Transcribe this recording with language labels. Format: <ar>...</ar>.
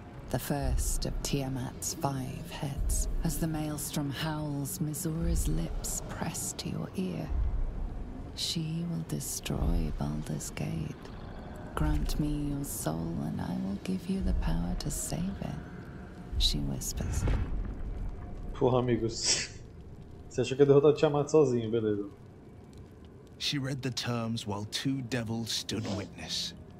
<en>The first of Tiamat's 5 heads. As the maelstrom howls, Mizora's lips press to your ear. She will destroy Baldur's Gate. Grant me your soul, and I will give you the power to save it. She whispers.</en> <pt>Porra, amigos. Você achou que ia derrotar o Tiamat sozinho, beleza.</pt> <en>She read the terms while 2 devils stood witness.</en>